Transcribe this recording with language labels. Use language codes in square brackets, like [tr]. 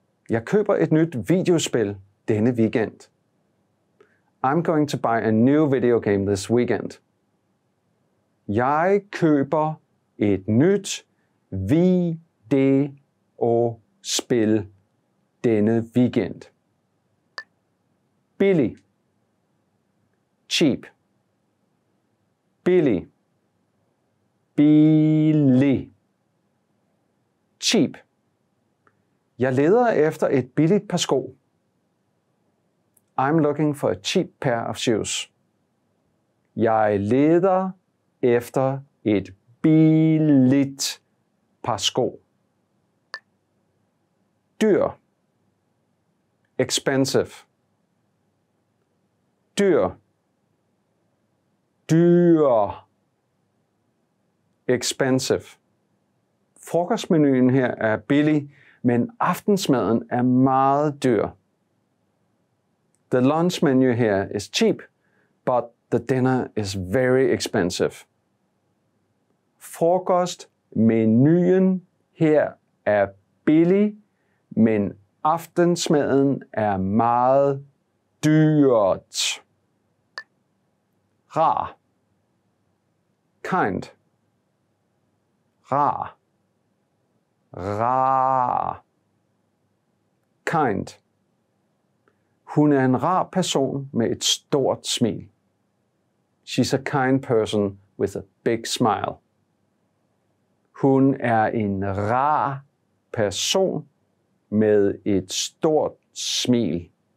[da] Jeg køber et nyt videospil denne weekend. [en] I'm going to buy a new video game this weekend. [da] Jeg køber et nyt videospil denne weekend. Billig. Cheap. Billig. Billig. Cheap. Jeg leder efter et billigt par sko. [en] I'm looking for a cheap pair of shoes. [da] Jeg leder efter et billigt par sko. Dyr. Expensive. Dyr. Dyr. Expensive. Frokostmenuen her er billig, men aftensmaden er meget dyr. [en] The lunch menu here is cheap, but the dinner is very expensive. [da] Frokostmenuen her er billig, men aftensmaden er meget dyrt. Rar. kind. Rar. Rar. Kind. Hun en rar person med et stort smil. [en] She's a kind person with a big smile. [da] Hun en rar person med et stort smil.